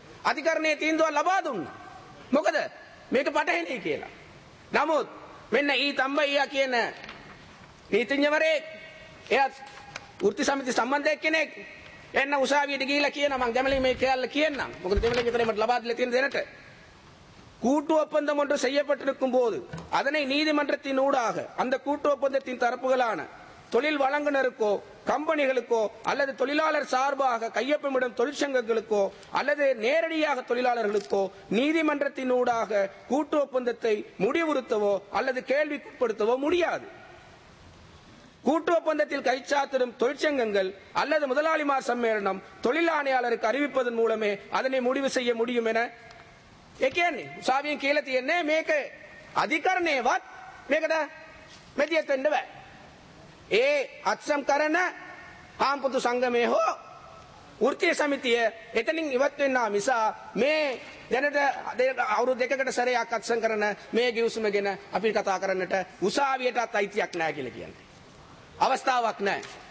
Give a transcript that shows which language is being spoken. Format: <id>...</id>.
<si>අධිකරණයේ තීන්දුවක් ලබා දුන්නා. මොකද මේක පටහැනියි කියලා. නමුත් මෙන්න ඊ තම්බයියා කියන නීතිඥවරේ, එයත් වෘත්ති සමිති සම්බන්ධයක් කෙනෙක්, එන්න උසාවියට ගිහිල්ලා කියන මං දෙමළින් මේ කැලල කියන්නම්. මොකද දෙමළින් විතරේ මට ලබා දෙලා තියෙන දැනට</si> <ta>கூட்டு ஒப்பந்தம் ஒன்று செய்யப்பட்டிருக்கும் போது அதனை நீதிமன்றத்தின் ஊடாக அந்த கூட்டு ஒப்பந்தத்தின் தரப்புகளான தொழில் வழங்குனருக்கோ கம்பெனிகளுக்கோ அல்லது தொழிலாளர் சார்பாக கையொப்பமிடும் தொழிற்சங்கங்களுக்கோ அல்லது நேரடியாக தொழிலாளர்களுக்கோ நீதிமன்றத்தின் ஊடாக கூட்டு ஒப்பந்தத்தை முடிவுறுத்தவோ அல்லது கேள்விப்படுத்தவோ முடியாது. கூட்டு ஒப்பந்தத்தில் கைச்சாத்திடும் தொழிற்சங்கங்கள் அல்லது முதலாளிமார் சம்மேளனம் தொழிலாணையாளருக்கு அறிவிப்பதன் மூலமே அதனை முடிவு செய்ய முடியும் என</ta> <si>ඒ කියන්නේ උසාවියෙන් කියලා තියන්නේ මේක අධිකරණයවත් මේකට මැදිහත් වෙන්න බෑ. ඒ අත්සම් කරන හාම්පුතු සංගමයේ හෝ වෘත්තීය සමිතිය එතනින් ඉවත් වෙනා මිසා මේ දැනට අවුරුදු දෙකකට සැරයක් අත්සම් කරන මේ ගිවිසුමගෙන අපි කතා කරන්නට උසාවියටත් අයිතියක් නැහැ කියලා කියන්නේ. අවස්ථාවක් නැහැ.</si>